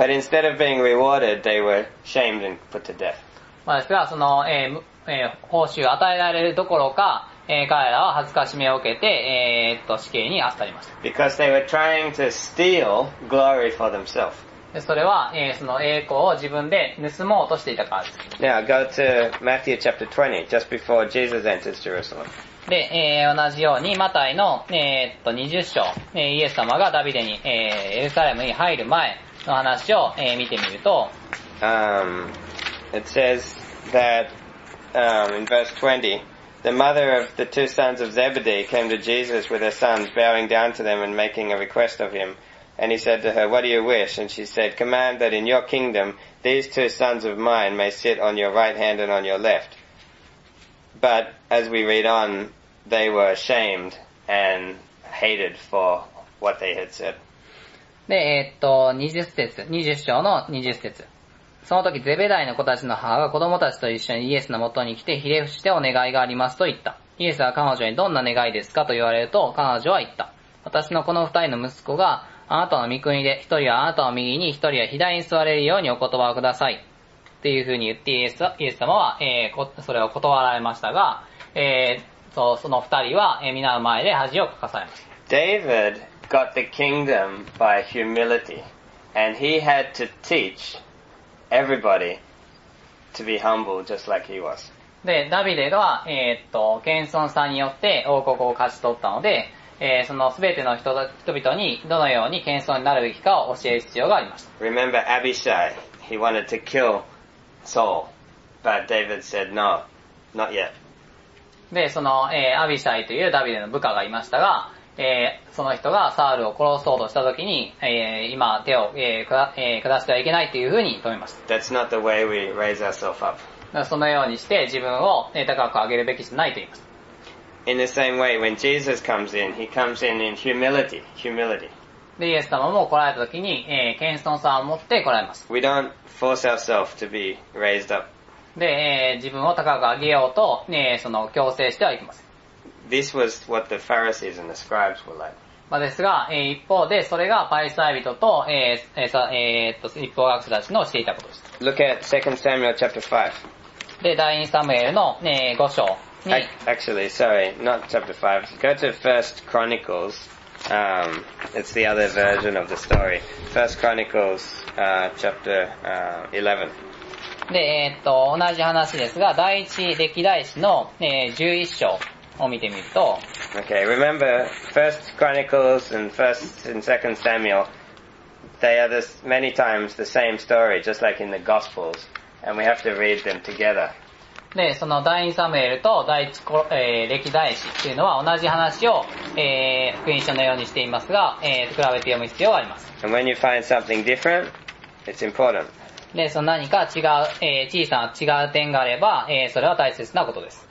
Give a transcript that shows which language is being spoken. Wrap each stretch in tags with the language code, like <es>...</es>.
<en>But instead of being rewarded, they were shamed and put to death.</en> <ja>まあ、ですが、その、報酬を与えられるどころか、彼らは恥ずかしめを受けて、死刑にあたりました。</ja> <en>Because they were trying to steal glory for themselves.</en> <ja>それは、その栄光を自分で盗もうとしていたからです。</ja> <en>Now go to Matthew chapter 20, just before Jesus enters Jerusalem.</en> <ja>で、同じように、マタイの、20章、イエス様がダビデに、エルサレムに入る前の話を、見てみると、</ja> <en>it says that, in verse 20,The mother of the two sons of Zebedee came to Jesus with her sons, bowing down to them and making a request of him. And he said to her, What do you wish? And she said, Command that in your kingdom these two sons of mine may sit on your right hand and on your left. But as we read on, they were ashamed and hated for what they had said.</en> <ja>で、20章の20節。その時、ゼベダイの子たちの母が子供たちと一緒にイエスの元に来て、ひれ伏してお願いがありますと言った。イエスは彼女にどんな願いですかと言われると、彼女は言った。私のこの二人の息子があなたの御国で、一人はあなたの右に、一人は左に座れるようにお言葉をください。というふうに言ってイエス様は、それを断られましたが、その二人は、皆の前で恥をかかされました。</ja> <en>David got the kingdom by humility, and he had to teach Everybody to be humble just like he was.</en> <ja>で、ダビデは、謙遜さによって王国を勝ち取ったので、そのすべての人々にどのように謙遜になるべきかを教える必要がありました。</ja> <en>Remember Abishai, he wanted to kill Saul, but David said no, not yet.</en> <ja>で、その、アビシャイというダビデの部下がいましたが、その人がサウルを殺そうとしたときに、今手を、下してはいけないというふうに止めました。</ja> <en>That's not the way we raise ourselves up.</en> <ja>そのようにして自分を高く上げるべきじゃないと言います。</ja> <en>In the same way, when Jesus comes in, he comes in humility, humility.</en> <ja>で、イエス様も来られたときに、謙遜さを持って来られます。</ja> <en>We don't force ourselves to be raised up.</en> <ja>で、自分を高く上げようと、その強制してはいけません。</ja> <en>This was what the Pharisees and the scribes were like.</en> <ja>まあですが、一方でそれがパリサイ人と、立法学者たちのしていたことです。</ja> <en>Look at 2 Samuel chapter 5.</en> <ja>で、第2サムエルの、5章に。</ja> <en>Actually, sorry, not chapter 5. Go to 1 Chronicles. It's the other version of the story. 1 Chronicles, chapter 11.</en> <ja>で、同じ話ですが、第1歴代史の、11章。を見てみると、</ja> <en>Okay, remember, 1st Chronicles and 1st and 2nd Samuel, they are this many times the same story, just like in the Gospels, and we have to read them together.</en> <ja>で、その第2サムエルと第1、歴代史っていうのは同じ話を、福音書のようにしていますが、比べて読む必要があります。</ja> <en>And when you find something different, it's important.</en> <ja>で、その何か違う、小さな違う点があれば、それは大切なことです。</ja>